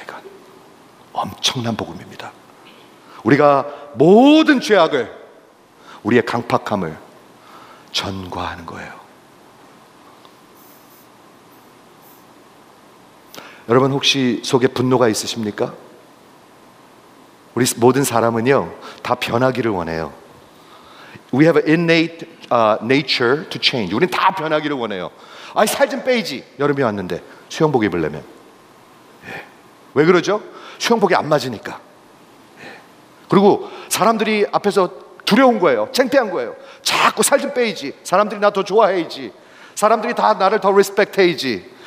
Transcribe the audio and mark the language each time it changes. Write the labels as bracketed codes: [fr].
[ko] 이건 엄청난 복음입니다. 우리가 모든 죄악을 우리의 강팍함을 전과하는 거예요. 여러분 혹시 속에 분노가 있으십니까? 우리 모든 사람은요 다 변하기를 원해요. [en] We have an innate nature to change. [ko] 우린 다 변하기를 원해요. 아이 살 좀 빼이지. 여름이 왔는데 수영복 입으려면 예. 왜 그러죠? 수영복이 안 맞으니까. 그리고 사람들이 앞에서 두려운 거예요. 창피한 거예요. 자꾸 살 좀 빼이지. 사람들이 나 더 좋아해이지. 사람들이 다 나를 더 리스펙트해이지.